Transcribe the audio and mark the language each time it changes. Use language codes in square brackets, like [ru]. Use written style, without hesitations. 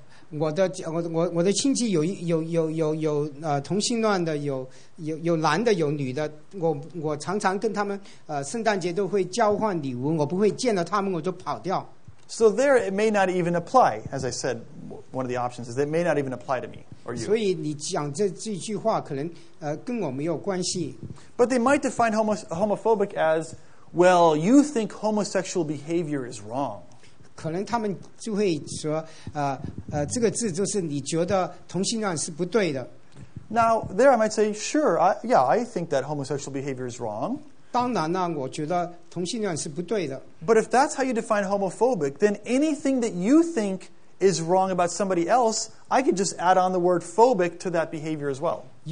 [zh] 我的亲戚有同性恋的，有男的，有女的。我常常跟他们圣诞节都会交换礼物，我不会见到他们我就跑掉。 [en] So there it may not even apply, as I said, one of the options is it may not even apply to me or you. [zh] 所以你讲这句话可能跟我没有关系。 [en] But they might define homophobic as, well, you think homosexual behavior is wrong. [zh] 可能他们就会说，这个字就是你觉得同性恋是不对的。 [en] Now there, I might say, sure, I think that homosexual behavior is wrong. [zh] 当然了，我觉得同性恋是不对的。 [en] But if that's how you define homophobic, then anything that you think is wrong about somebody else, I could just add on the word phobic to that behavior as well.